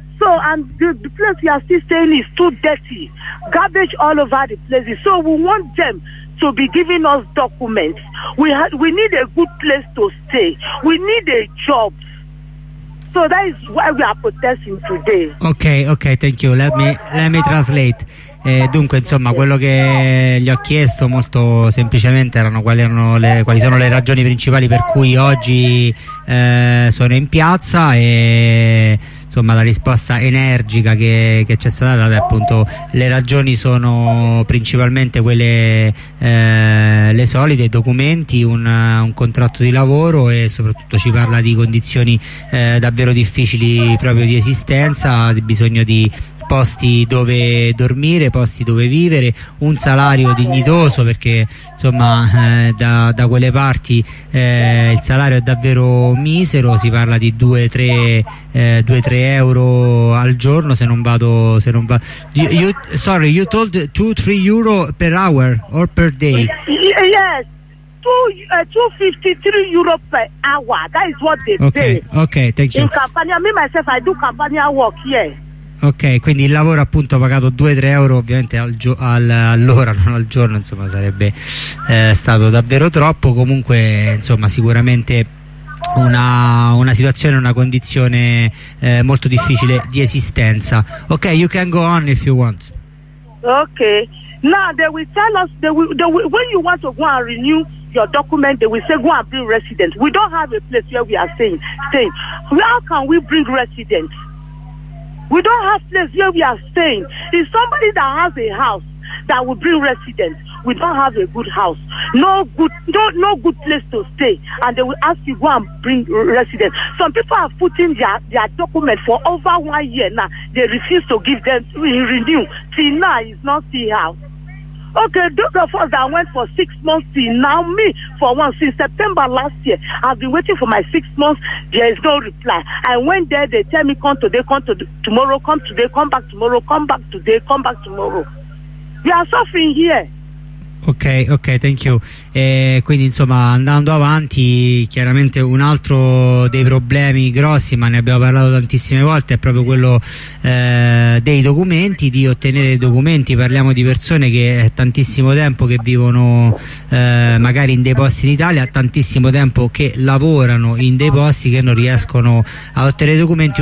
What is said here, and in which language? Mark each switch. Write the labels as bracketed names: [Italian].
[English] So, and the place we are still staying is too dirty. Garbage all over the place. So we want them to be giving us documents. We need a good place to stay. We need a job. So that is why we are protesting today. Okay, thank you. Let me translate. [Italian] Dunque, insomma, quello che gli ho chiesto molto semplicemente quali sono le ragioni principali per cui oggi sono in piazza, e insomma la risposta energica che c'è stata data è appunto le ragioni sono principalmente quelle le solite, i documenti, un contratto di lavoro, e soprattutto ci parla di condizioni davvero difficili proprio di esistenza, di bisogno di posti dove dormire, posti dove vivere, un salario dignitoso, perché insomma da quelle parti il salario è davvero misero, si parla di 2-3 euro al giorno se non vado. [English] You told 2-3 euro per hour or per day? Yes, 2-3 euro per hour, that is what they pay. Okay, thank you. In campagna, me myself, I do campagna work here. [Italian] Ok, quindi il lavoro appunto pagato 2-3 euro ovviamente all'ora, non al giorno, insomma sarebbe stato davvero troppo, comunque insomma sicuramente una situazione, una condizione molto difficile di esistenza. [English] Ok, you can go on if you want. Ok, now they will tell us, when you want to go and renew your document, they will say go and bring residents. We don't have a place where we are staying. How can we bring residents? We don't have place where we are staying. If somebody that has a house that will bring residents, we don't have a good house. No good place to stay. And they will ask you, go and bring residents. Some people are putting their document for over 1 year now. They refuse to give them renew. Till now, it's not the house. Okay, those of us that went for 6 months, till now, me, for one, since September last year, I've been waiting for my 6 months, there is no reply. I went there, they tell me, come today, come back tomorrow. We are suffering here. Ok, thank you. [Italian] Quindi insomma, andando avanti, chiaramente un altro dei problemi grossi, ma ne abbiamo parlato tantissime volte, è proprio quello dei documenti, di ottenere documenti. Parliamo di persone che è tantissimo tempo che vivono magari in dei posti in Italia, tantissimo tempo che lavorano in dei posti, che non riescono a ottenere documenti.